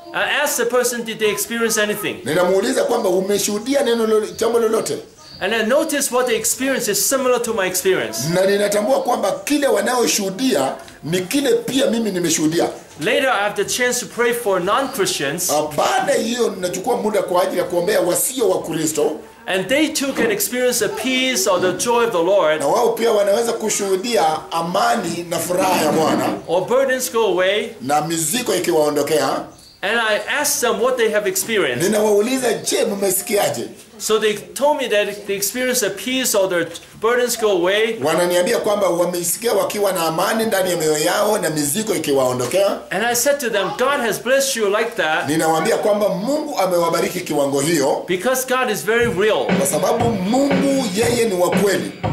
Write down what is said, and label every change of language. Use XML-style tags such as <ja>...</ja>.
<en>I asked the person, did they experience anything?</en> <sw>Ninamuuliza kwamba umeshuhudia neno jambo lolote?</sw> <en>And I noticed what they experienced is similar to my experience.</en> <sw>Na ninatambua kwamba kile wanayoshuhudia ni kile pia mimi nimeshuhudia.</sw> <en>Later, I have the chance to pray for non-Christians.</en> <sw>Baada hiyo ninachukua muda kwa ajili ya kuombea wasio wa Kristo.</sw> <en>And they too can experience the peace or the joy of the Lord.</en> <sw>Na wao pia wanaweza kushuhudia amani na furaha ya Bwana.</sw> <en>Or burdens go away.</en> <sw>Na mizigo ikiwaondokea.</sw> <en>And I asked them what they have experienced.</en> <sw>Ninawauliza je mmesikiaje?</sw> <en>So they told me that they experience a peace or their burdens go away.</en> <sw>Wananiambia kwamba wamesikia wakiwa na amani ndani ya mioyo yao na mizigo ikiwaondokea.</sw> <en>And I said to them, God has blessed you like that.</en> <sw>Ninawaambia kwamba Mungu amewabariki kiwango hiyo.</sw> <en>Because God is very real.</en> <sw>Kwa sababu Mungu yeye ni wa kweli.</sw>